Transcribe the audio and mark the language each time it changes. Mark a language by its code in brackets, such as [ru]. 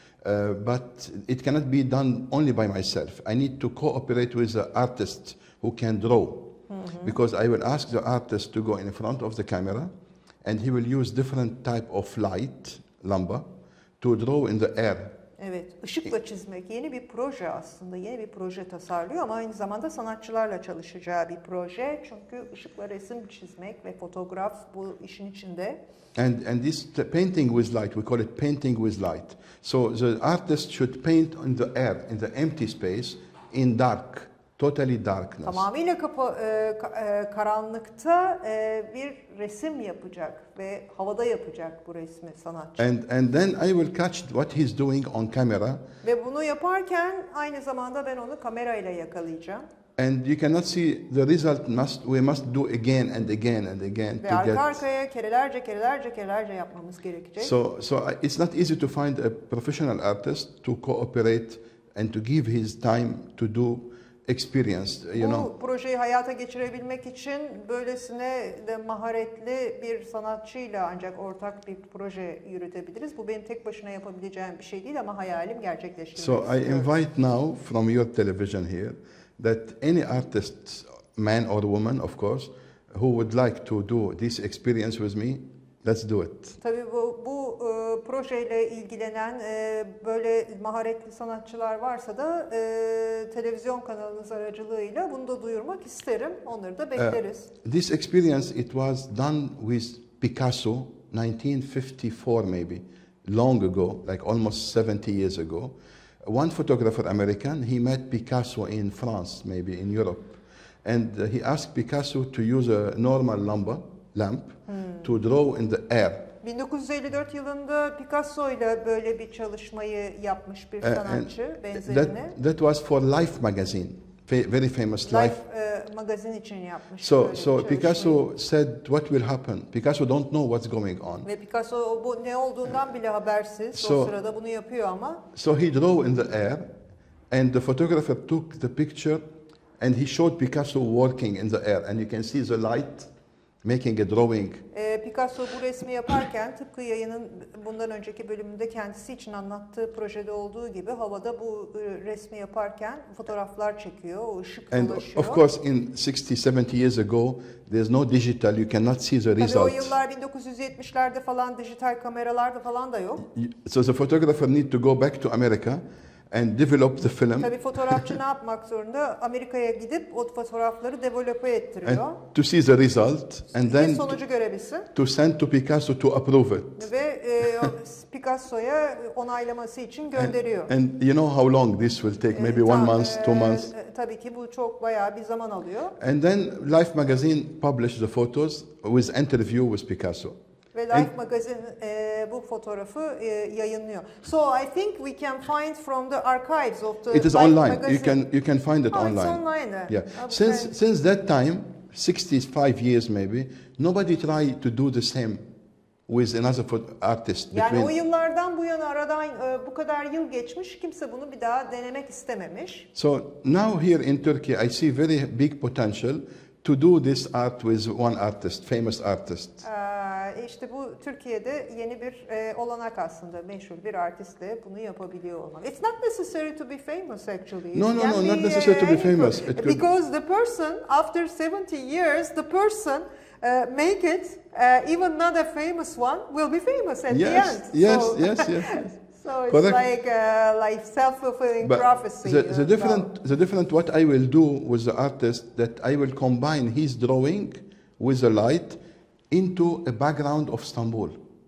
[en] But it cannot be done only by myself. I need to cooperate with the artist who can draw. Mm-hmm. Because I will ask the artist to go in front of the camera and he will use different type of light, lamba, to draw in the air. [tr] Evet, ışıkla çizmek yeni bir proje aslında, yeni bir proje tasarlıyor ama aynı zamanda sanatçılarla çalışacağı bir proje. Çünkü ışıkla resim çizmek ve fotoğraf bu işin içinde. [en] And this painting with light, we call it painting with light. So the artist should paint in the air, in the empty space, in dark, totally darkness. [tr] Tamamıyla karanlıkta bir resim yapacak. Ve havada yapacak bu resmi sanatçı. [en] And then I will catch what he's doing on camera. [tr] Ve bunu yaparken aynı zamanda ben onu kamerayla yakalayacağım. [en] And you cannot see the result. We must do again and again and again [tr] ve [en] to get. [tr] Ve arka arkaya kerelerce yapmamız gerekecek. [en] So it's not easy to find a professional artist to cooperate and to give his time to do. Experienced, you know. [tr] Bu projeyi hayata geçirebilmek için böylesine de maharetli bir sanatçıyla ancak ortak bir proje yürütebiliriz. Bu benim tek başına yapabileceğim bir şey değil ama hayalim gerçekleşti. [en] So I invite now from your television here that any artist, man or woman, of course, who would like to do this experience with me, Let's do it. [tr] Tabii bu projeyle ilgilenen böyle maharetli sanatçılar varsa da televizyon kanalınız aracılığıyla bunu da duyurmak isterim. Onları da bekleriz. [en] This experience it was done with Picasso 1954 maybe. Long ago, like almost 70 years ago, one photographer American, he met Picasso in France, maybe in Europe, and he asked Picasso to use a normal lamp to draw in the air. [tr] 1954 yılında Picasso ile böyle bir çalışmayı yapmış bir sanatçı benzerini. [en] That was for Life magazine, very famous Life [tr] magazine için yapmış. [en] So Picasso said, "What will happen?" Picasso don't know what's going on. [tr] Ve Picasso bu ne olduğundan bile habersiz. So, o sırada bunu yapıyor ama. [en] So he drew in the air, and the photographer took the picture, and he showed Picasso working in the air, and you can see the light making a drawing. [tr] Picasso bu resmi yaparken tıpkı yayının bundan önceki bölümünde kendisi için anlattığı projede olduğu gibi havada bu resmi yaparken fotoğraflar çekiyor, o ışık ulaşıyor. [en] And of course in 60-70 years ago there's no digital, you cannot see the result. [tr] Tabii o yıllar 1970'lerde falan dijital kameralar da falan da yok. [en] So the photographer need to go back to America and develop the film. [tr] Tabii fotoğrafçı ne yapmak zorunda? Amerika'ya gidip o fotoğrafları develop'e ettiriyor. [en] And to see the result and then [tr] sonucu görebilsin. [en] To send to Picasso to approve it. [tr] Ve Picasso'ya onaylaması için gönderiyor. [en] And you know how long this will take? Maybe one month, 2 months. [tr] Tabii ki bu çok bayağı bir zaman alıyor. [en] And then Life magazine published the photos with interview with Picasso. [tr] Ve Life magazine bu fotoğrafı yayınlıyor. [en] So I think we can find from the archives of the It is Life online. Magazine. You can find it online. It's online. Yeah. Since that time, 65 years maybe, nobody tried to do the same with another artist. [tr] Yani [en] between. [tr] O yıllardan bu yana aradan bu kadar yıl geçmiş, kimse bunu bir daha denemek istememiş. [en] So now here in Turkey, I see very big potential to do this art with one artist, famous artist. [tr] İşte bu Türkiye'de yeni bir olanak aslında, meşhur bir artistle bunu yapabiliyor olmak. [en] It's not necessary to be famous actually. No, not necessary to be famous. Because the person, after 70 years, the person make it, even not a famous one, will be famous at yes, the end. Yes. So it's correct. like self-fulfilling but prophecy. The different what I will do with the artist that I will combine his drawing with the light into a background of Istanbul.